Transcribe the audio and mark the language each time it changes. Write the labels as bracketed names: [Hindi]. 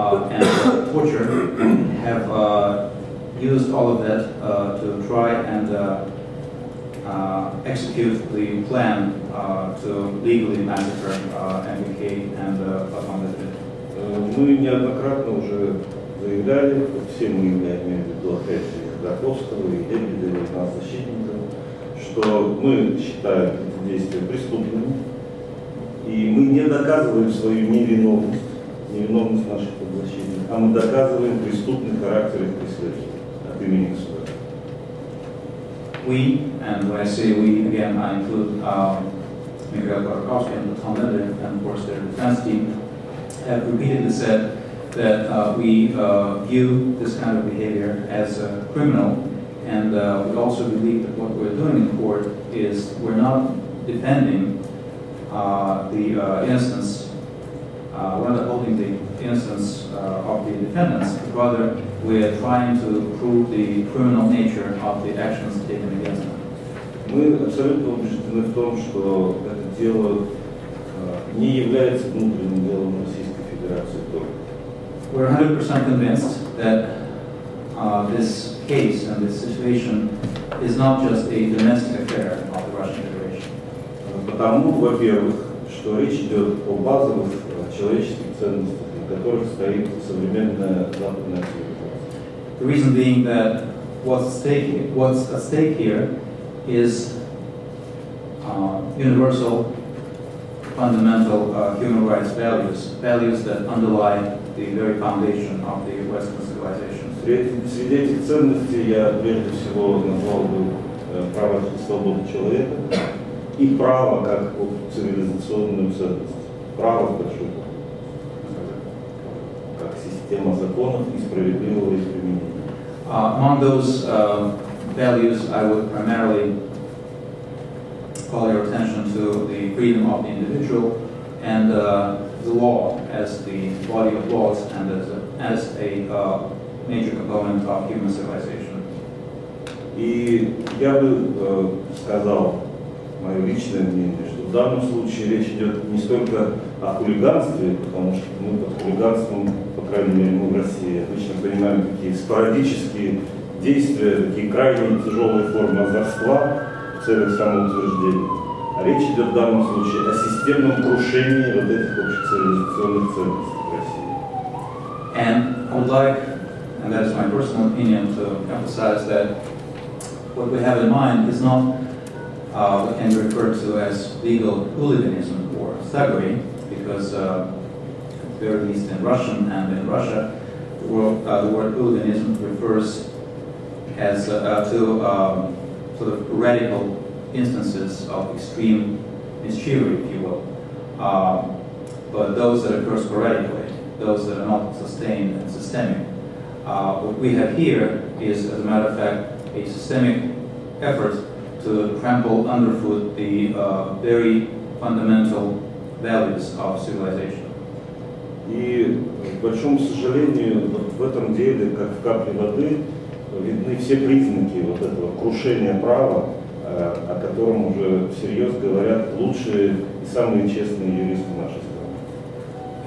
[English] and torture, have used all of that to try and execute the plan to legally massacre MBK and Bakhmandov. [Russian] Мы неоднократно уже заявляли, все мы имеем в виду опять Дарковского и Эбеля, и нас защитников, что мы считаем эти действия преступными, и мы не доказываем свою невиновность, невиновность наших подзащитников, а мы доказываем преступный характер их преследования от имени государства. [English] We, and when I say we, again, I include Mikhail Khodorkovsky and Tom Lebedev, and of course their defense team, have repeatedly said that we view this kind of behavior as a criminal, and we also believe that what we're doing in court is we're not defending the innocence, we're not holding the innocence of the defendants, but rather we are trying to prove the criminal nature of the actions taken against them. [Russian] Мы абсолютно убеждены в том, что это дело не является внутренним делом Российской Федерации только. [English] We're 100% convinced that this case and this situation is not just a domestic affair of the Russian Federation. [Russian] Потому, во-первых, что речь идет о базовых человеческих ценностях, на которых стоит современная западная цивилизация. [English] The reason being that what's at stake here is universal, fundamental human rights values, values that underlie the very foundation of the Western civilization. [Russian] Среди этих ценностей я прежде всего назвал бы право и свободу человека и право как цивилизационную ценность, право в большом как система законов и справедливого их применения. [English] Among those values, I would primarily call your attention to the freedom of the individual and the law as the body of laws and as a major component of human civilization. [Russian] И я бы сказал мое личное мнение, что в данном случае речь идет не столько о хулиганстве, потому что мы под хулиганством, по крайней мере, мы в России обычно понимаем такие спорадические действия, такие крайне тяжелые формы азарства в целях самоутверждения. А речь идет в данном случае о системном крушении вот этих общецивилизационных ценностей в России. [English] And I would like, and that is my personal opinion, to emphasize that what we have in mind is not what can be referred to as legal hooliganism or thuggery, because at the very least in Russian and in Russia, the word hooliganism refers as sort of radical instances of extreme mischievery, if you will. But those that occur sporadically, those that are not sustained and systemic. What we have here is, as a matter of fact, a systemic efforts to trample underfoot the very fundamental values of civilization. [Russian] И к большому сожалению, вот в этом деле, как в капле воды, видны все признаки вот этого крушения права, о котором уже всерьез говорят лучшие и самые честные юристы нашей страны.